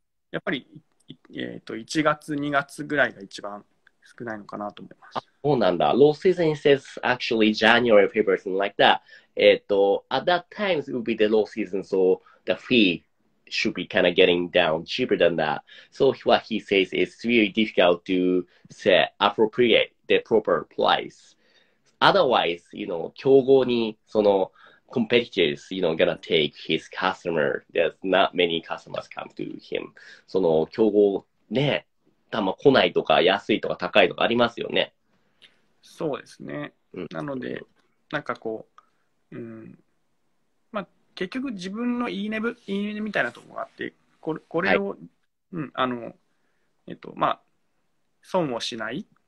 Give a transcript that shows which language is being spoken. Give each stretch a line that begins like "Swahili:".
Japanese: やっぱり、1月、2月ぐらいが一番少ないのかなと思います。そうなんだ。
English: Low season says actually January, February, something like that. At that time, it would be the low season, so the fee... should be kind of getting down cheaper than that. So what he says is really difficult to say appropriate the proper price. Otherwise, you know,
Japanese: 競合にその
English: competitors, you know, gonna take his customer. There's not many customers come to him.
Japanese: その競合ね、たま来ないとか安いとか高いとかありますよね。そうですね。なので、なんかこう、結局自分のいいねみたいなところがあって、これを、はい、損をしない、